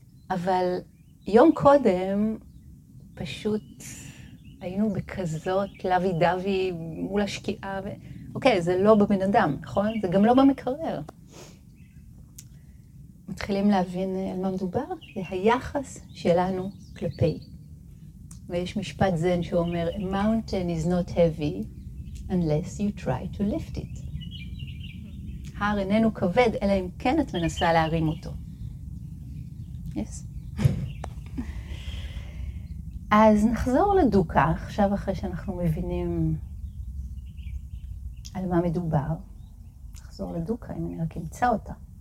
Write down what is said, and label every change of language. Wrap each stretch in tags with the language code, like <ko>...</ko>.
<he>אבל יום קודם, פשוט היינו בכזאת לוי דווי מול השקיעה, ו... אוקיי, זה לא בבן אדם, נכון? זה גם לא במקרר. מתחילים להבין על מה מדובר, זה היחס שלנו כלפי. ויש משפט זן שאומר,</he> <en>A mountain is not heavy unless you try to lift it.</en> <he>הר איננו כבד, אלא אם כן את מנסה להרים אותו. Yes? אז נחזור לדוקה, עכשיו אחרי שאנחנו מבינים על מה מדובר. נחזור לדוקה, אם אני רק אמצא אותה.</he>